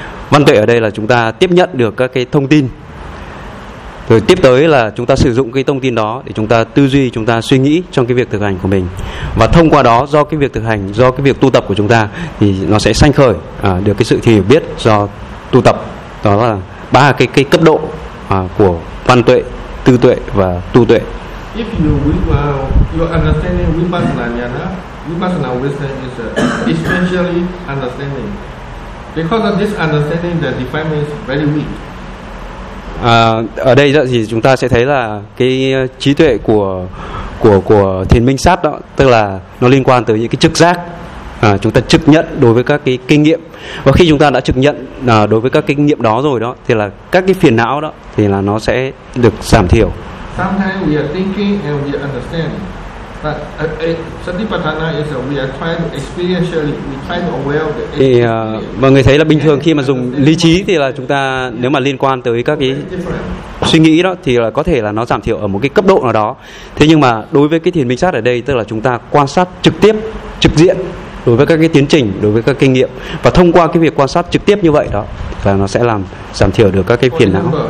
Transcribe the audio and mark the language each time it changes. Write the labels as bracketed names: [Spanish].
[Vietnamese] Văn tuệ ở đây là chúng ta tiếp nhận được các cái thông tin. Rồi tiếp tới là chúng ta sử dụng cái thông tin đó để chúng ta tư duy, chúng ta suy nghĩ trong cái việc thực hành của mình. Và thông qua đó, do cái việc thực hành, do cái việc tu tập của chúng ta, thì nó sẽ sanh khởi được cái sự hiểu biết do tu tập. Đó là ba cái cấp độ của văn tuệ, tư tuệ và tu tuệ. [English] If you understanding Vipassana, Vipassana wisdom is essentially understanding. Because of this understanding, the defilement is very weak. [Vietnamese] ở đây thì chúng ta sẽ thấy là cái trí tuệ của thiền minh sát đó, tức là nó liên quan tới những cái trực giác. Chúng ta trực nhận đối với các cái kinh nghiệm, và khi chúng ta đã trực nhận đối với các kinh nghiệm đó rồi đó, thì là các cái phiền não đó thì là nó sẽ được giảm thiểu. [English] Sometimes we are thinking and we understand, but satipatthana is that we are trying to experientially, we try to aware. [Vietnamese] Thì mọi người thấy là bình thường khi mà dùng lý trí thì là chúng ta nếu mà liên quan tới các cái suy nghĩ đó thì là có thể là nó giảm thiểu ở một cái cấp độ nào đó. Thế nhưng mà đối với cái thiền minh sát ở đây, tức là chúng ta quan sát trực tiếp, trực diện đối với các cái tiến trình, đối với các kinh nghiệm, và thông qua cái việc quan sát trực tiếp như vậy đó là nó sẽ làm giảm thiểu được các cái phiền não.